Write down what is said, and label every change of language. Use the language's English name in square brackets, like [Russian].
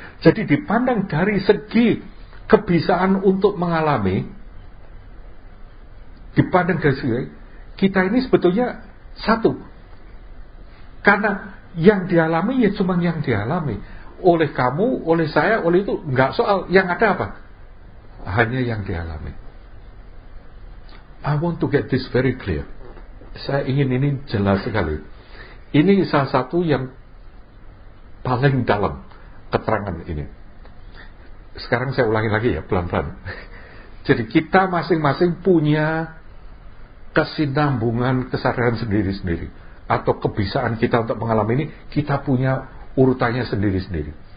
[Indonesian] Jadi dipandang dari segi kebiasaan untuk mengalami, dipandang dari segi kita ini sebetulnya satu. Karena yang dialami ya cuma yang dialami oleh kamu, oleh saya, oleh itu enggak soal, yang ada apa? Hanya yang dialami. [English] I want to get this very clear. [Indonesian] Saya ingin ini jelas sekali. Ini salah satu yang paling dalam keterangan ini. Sekarang saya ulangi lagi ya, pelan-pelan. Jadi kita masing-masing punya kesinambungan kesadaran sendiri-sendiri, atau kebiasaan kita untuk mengalami ini, kita punya urutannya sendiri-sendiri.